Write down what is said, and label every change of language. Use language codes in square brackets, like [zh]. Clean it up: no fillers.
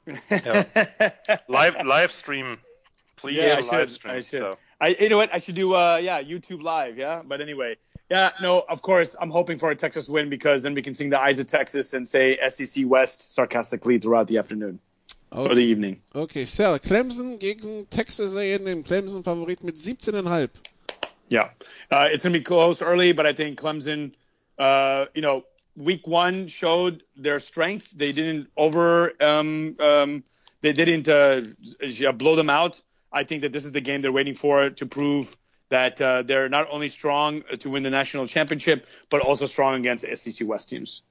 [en] Yeah. live stream, please. Yeah, I should do YouTube live, yeah. But anyway, yeah, no, of course I'm hoping for a Texas win, because then we can sing the Eyes of Texas and say SEC West sarcastically throughout the afternoon. Okay. Or the evening. [de] Okay, Sal, Clemson gegen Texas A&M, Clemson Favorit mit 17,5. [en] Yeah, it's gonna be close early, but I think Clemson, you know, Week one showed their strength. They didn't blow them out. I think that this is the game they're waiting for to prove that they're not only strong to win the national championship, but also strong against SEC West teams.